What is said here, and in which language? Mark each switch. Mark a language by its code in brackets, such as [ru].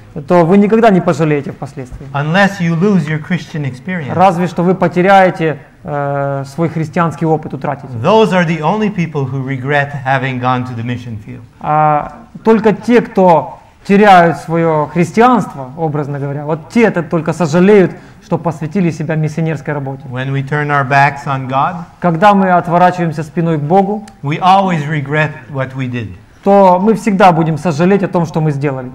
[ru] То вы никогда не пожалеете впоследствии. [en] Unless you lose your Christian experience. [ru] Разве что вы потеряете свой христианский опыт, утратите. [en] Those are the only people who regret having gone to the mission field. [ru] Только те, кто теряют свое христианство, образно говоря, вот те это только сожалеют, что посвятили себя миссионерской работе. [en] When we turn our backs on God, [ru] когда мы отворачиваемся спиной к Богу, [en] we always regret what we did. [ru] То мы всегда будем сожалеть о том, что мы сделали.